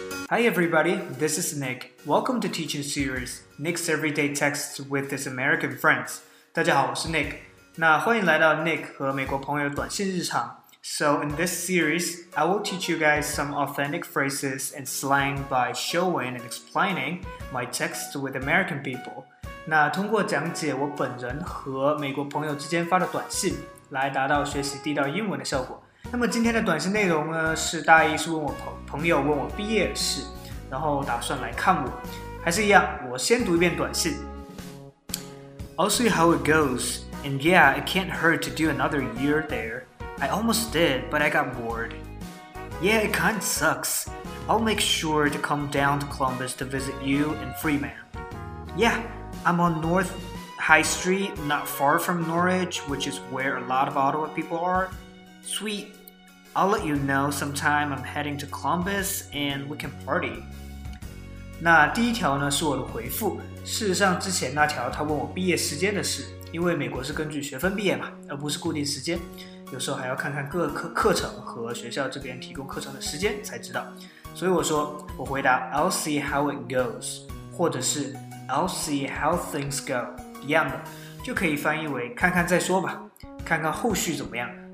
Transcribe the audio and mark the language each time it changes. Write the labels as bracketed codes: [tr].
[en] Hi everybody, this is Nick. Welcome to Teaching Series, Nick's Everyday Texts with His American Friends. [zh] 大家好，我是 Nick。那欢迎来到 Nick 和美国朋友短信日常。 [en] So in this series, I will teach you guys some authentic phrases and slang by showing and explaining my texts with American people. [zh] 那通过讲解我本人和美国朋友之间发的短信，来达到学习地道英文的效果。那么今天的短信内容呢，是大意是问我朋友问我毕业的事，然后打算来看我。还是一样，我先读一遍短信。 [en] I'll see how it goes, and yeah, it can't hurt to do another year there. I almost did, but I got bored. Yeah, it kind of sucks. I'll make sure to come down to Columbus to visit you and Freeman. Yeah, I'm on North High Street, not far from Norwich, which is where a lot of Ottawa people are. Sweet, I'll let you know sometime I'm heading to Columbus and we can party. [zh] 那第一条呢是我的回复。事实上之前那条他问我毕业时间的事，因为美国是根据学分毕业嘛，而不是固定时间，有时候还要看看各科课程和学校这边提供课程的时间才知道。所以我说，我回答 [en] I'll see how it goes, [zh] 或者是 [en] I'll see how things go, [zh] 一样的，就可以翻译为看看再说吧，看看后续怎么样。